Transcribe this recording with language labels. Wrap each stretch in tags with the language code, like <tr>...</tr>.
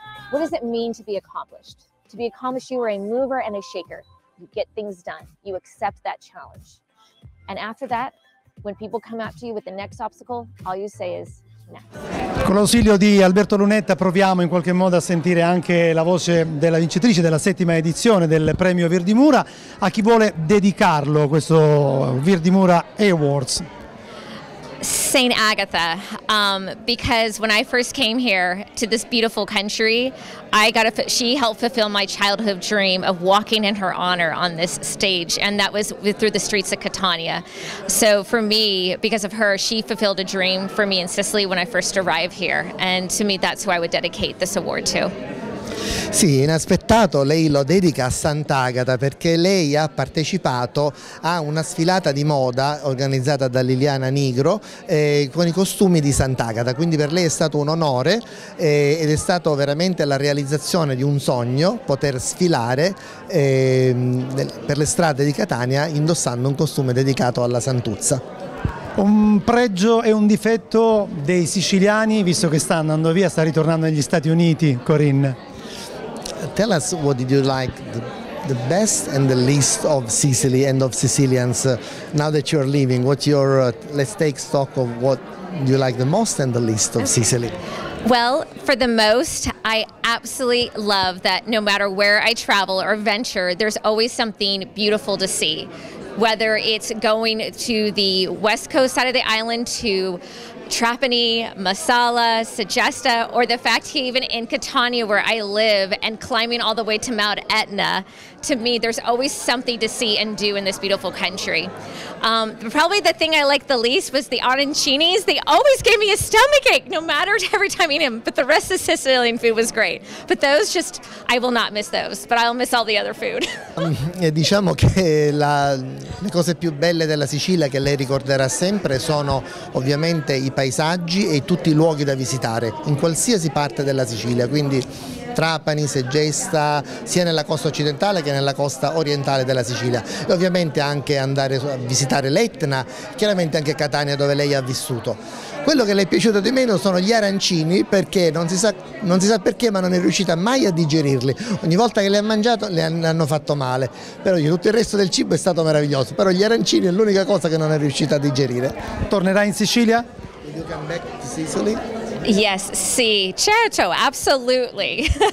<en>What does it mean to be accomplished? To be accomplished, you are a mover and a shaker. You get things done. You accept that challenge. And after that, when people come up to you with the next obstacle, all you say is,</en> <it>con l'ausilio di Alberto Lunetta proviamo in qualche modo a sentire anche la voce della vincitrice della 7ª edizione del premio Virdi Mura. A chi vuole dedicarlo questo Virdi Mura Awards?</it> <en>St. Agatha, because when I first came here to this beautiful country, she helped fulfill my childhood dream of walking in her honor on this stage, and that was through the streets of Catania. So for me, because of her, she fulfilled a dream for me in Sicily when I first arrived here, and to me that's who I would dedicate this award to.</en> <it>Sì, inaspettato, lei lo dedica a Sant'Agata perché lei ha partecipato a una sfilata di moda organizzata da Liliana Nigro con i costumi di Sant'Agata, quindi per lei è stato un onore ed è stato veramente la realizzazione di un sogno poter sfilare per le strade di Catania indossando un costume dedicato alla Santuzza. Un pregio e un difetto dei siciliani, visto che sta andando via, sta ritornando negli Stati Uniti, Corinne?</it> <en>tell us, what did you like the best and the least of Sicily and of Sicilians now that you're leaving? What's your let's take stock of what you like the most and the least of Sicily. Well, for the most, I absolutely love that no matter where I travel or venture, there's always something beautiful to see. Whether it's going to the west coast side of the island to Trapani, Marsala, Segesta, or the fact even in Catania where I live and climbing all the way to Mount Etna, to me, there's always something to see and do in this beautiful country. Probably the thing I liked the least was the arancinis. They always gave me a stomachache, no matter every time I eat them, but the rest of Sicilian food was great. But those just, I will not miss those, but I'll miss all the other food.</en> <it>E diciamo che le cose più belle della Sicilia, che lei ricorderà sempre, sono ovviamente i paesaggi e tutti i luoghi da visitare in qualsiasi parte della Sicilia, quindi Trapani, Segesta, sia nella costa occidentale che nella costa orientale della Sicilia, e ovviamente anche andare a visitare l'Etna, chiaramente anche Catania dove lei ha vissuto. Quello che le è piaciuto di meno sono gli arancini, perché non si sa perché, ma non è riuscita mai a digerirli. Ogni volta che le ha mangiato le hanno fatto male, però tutto il resto del cibo è stato meraviglioso, però gli arancini è l'unica cosa che non è riuscita a digerire. Tornerà in Sicilia?</it> <en>Will you come back to Sicily? Yes,</en> <it>sì, certo,</it> <en>absolutely.</en>